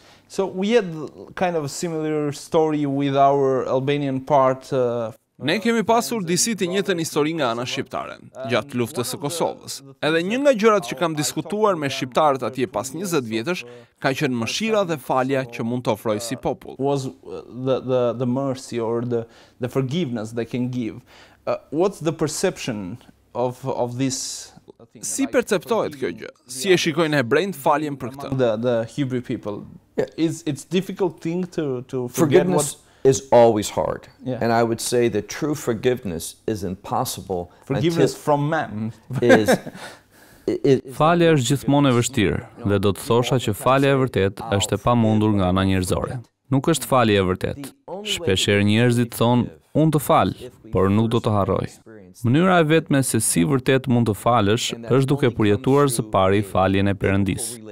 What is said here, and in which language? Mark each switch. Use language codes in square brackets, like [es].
[en] So we had kind of a similar story with our Albanian part. [sq] Ne kemi pasur disi të njëjtën histori nga ana shqiptare, gjatë luftës së Kosovës. Edhe një nga gjërat që kam diskutuar me shqiptarët atje pas 20 vjetësh, ka qenë mëshira dhe falja që mund të ofrojë si popull. [en] Was the mercy or the forgiveness they can give. What's the perception of this? [sq] Si perceptohet kjo gjë? Si e shikojnë hebrejt faljen për këtë? [en] The Hebrew people. It's difficult thing to forget. Forgiveness is always hard. Yeah. And I would say that true forgiveness is impossible. Forgiveness from man [sq] is falja është gjithmonë e vështirë dhe do të thosha që falja e vërtet është e pamundur nga ana njerëzore. Nuk është falja e vërtet. Shpeshherë njerëzit thonë unë të fal, por nuk do të harroj. Mënyra e vetme se si vërtet mund të falësh është duke përjetuar së pari faljen e Perëndisë.